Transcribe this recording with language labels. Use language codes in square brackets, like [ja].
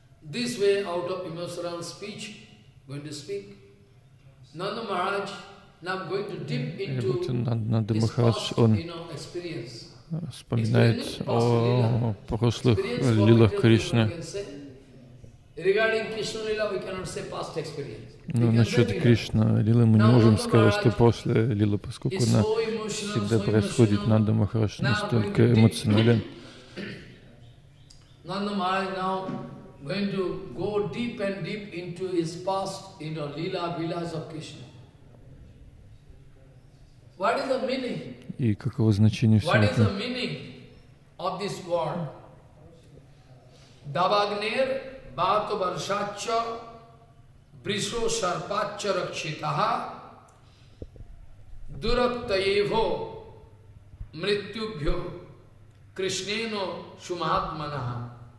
[en] This way, out of emotional speech, going to speak. Nanda Maharaj, now I'm going to dip into Nanda Maharaj, his past, you know, experience. [ru] Вспоминает о прошлых лилах Кришны. [en] Regarding Krishna lila, we cannot say past experience. [ru] Но насчет Кришна лилы мы не можем сказать, что после лилы, поскольку она всегда происходит. Nanda Maharaj настолько эмоционален. [en] Nanda Maharaj now going to go deep and deep into his past, you know, lila vilas of Krishna. What is the meaning? [ru] И каково значение всего этого? [en] What is the meaning of this word? [sa] Давагнер бато варшачча брисо шарпачча ракшитаха дурактаево мритюбхё кришнено шумахатманаха.